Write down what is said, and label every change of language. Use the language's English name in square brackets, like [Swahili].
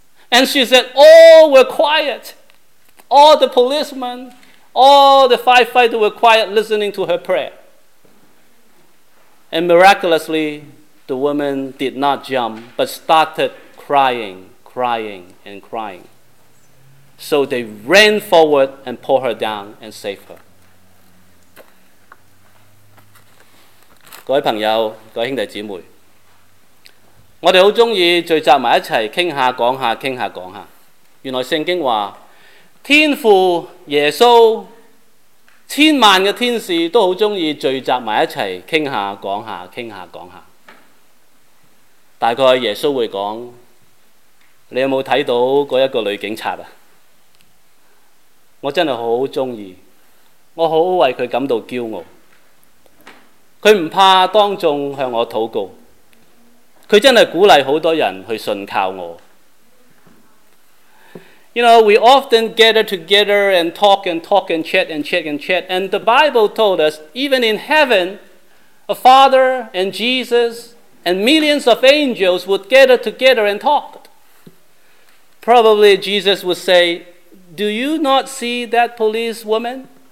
[English] And she said, all were quiet. All the policemen, all the firefighters were quiet listening to her prayer. And miraculously, the woman did not jump, but started crying, crying, and crying. So they ran forward and pulled her down and saved her. [Chinese] 各位朋友、各位兄弟姊妹，我哋好中意聚集埋一齐倾下、讲下、倾下、讲下。原来圣经话，天父、耶稣、千万嘅天使都好中意聚集埋一齐倾下、讲下、倾下、讲下。大概耶稣会讲：你有冇睇到嗰一个女警察啊？我真系好中意，我好为佢感到骄傲。他不怕当众向我祷告，他真的鼓励很多人去信靠我。 [English] You know, we often gather together and talk and talk and chat and chat and chat, and the Bible told us, even in heaven, a father and Jesus and millions of angels would gather together and talk. Probably Jesus would say, Do you not see that police woman?